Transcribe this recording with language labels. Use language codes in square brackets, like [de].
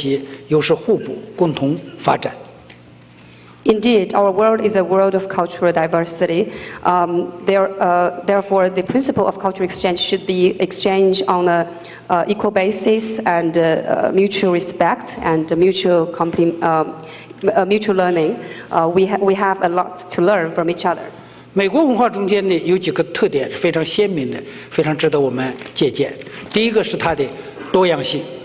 [zh] 全世界文化的多样性是它的一个基本的特征。那么这些多样性的特征表现在每一个文化都有自己的优长，所以应该在平等的基础上，在相互尊重的基础上，相互借鉴、相互学习，有时互补，共同发展。 [en] Indeed, our world is a world of cultural diversity. Therefore, the principle of cultural exchange should be exchange on an equal basis and mutual respect and mutual learning. We have a lot to learn from each other. [zh] 美国文化中间呢，有几个特点是非常鲜明的，非常值得我们借鉴。第一个是它的多样性。